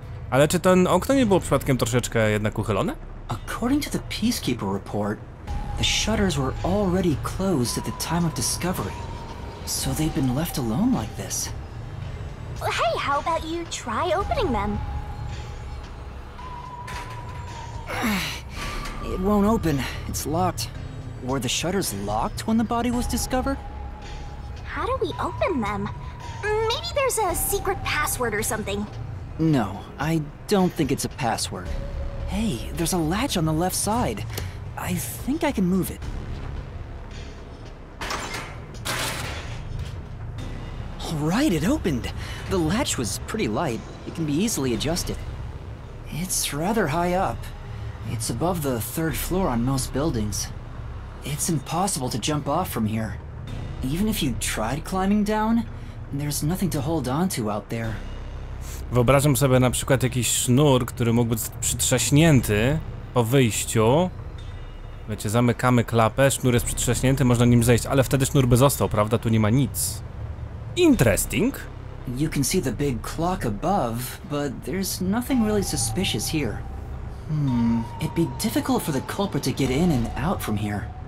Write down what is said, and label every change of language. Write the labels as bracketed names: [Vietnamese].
[Polish] Ale czy ten okno nie było przypadkiem troszeczkę jednak uchylone? [English] According to the Peacekeeper report, the shutters were already closed at the time of discovery. So they've been left alone like this. Hey, how about you try opening them? It won't open. It's locked. Were the shutters locked when the body was discovered? How do we open them? Maybe there's a secret password or something. No, I don't think it's a password. Hey, there's a latch on the left side. I think I can move it. All right, it opened. The latch was pretty light. It can be easily adjusted. It's rather high up. It's above the third floor on most buildings. It's impossible to jump off from here. Even if you tried climbing down, there's nothing to hold on to out there. [Polish] Wyobrażam sobie na przykład jakiś sznur, który mógłby być przytrzaśnięty po wyjściu. Wiecie, zamykamy klapę, sznur jest przytrzaśnięty, można nim zejść, ale wtedy sznur by został, prawda? Tu nie ma nic. [English] Interesting. You can see the big clock above, but there's nothing really suspicious here. It'd be difficult for the culprit to get in and out from here.